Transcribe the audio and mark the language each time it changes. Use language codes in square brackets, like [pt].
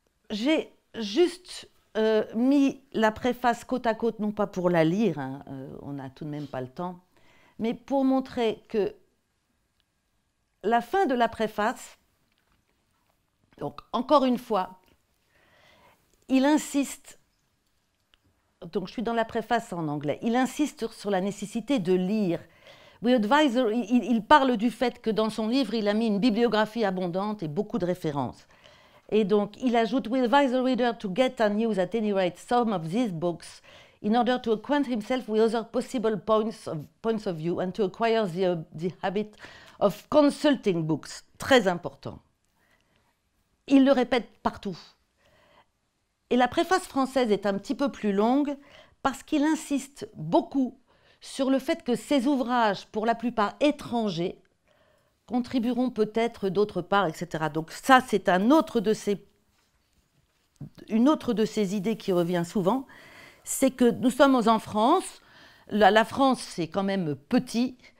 [fr] J'ai juste mis la préface côte à côte, non pas pour la lire, hein, on n'a tout de même pas le temps, mais pour montrer que la fin de la préface, donc encore une fois, il insiste, donc je suis dans la préface en anglais, il insiste sur la nécessité de lire. [en] We advise, [fr] il parle du fait que dans son livre, il a mis une bibliographie abondante et beaucoup de références. Et donc, il ajoute, [en] we advise the reader to get and use at any rate some of these books. in order to acquaint himself with other possible points of view and to acquire the habit of consulting books, [fr] très important. Il le répète partout. Et la préface française est un petit peu plus longue parce qu'il insiste beaucoup sur le fait que ces ouvrages, pour la plupart étrangers, contribueront peut-être d'autre part, etc. Donc ça, c'est une autre de ces idées qui revient souvent, c'est que nous sommes en France, la France c'est quand même petit,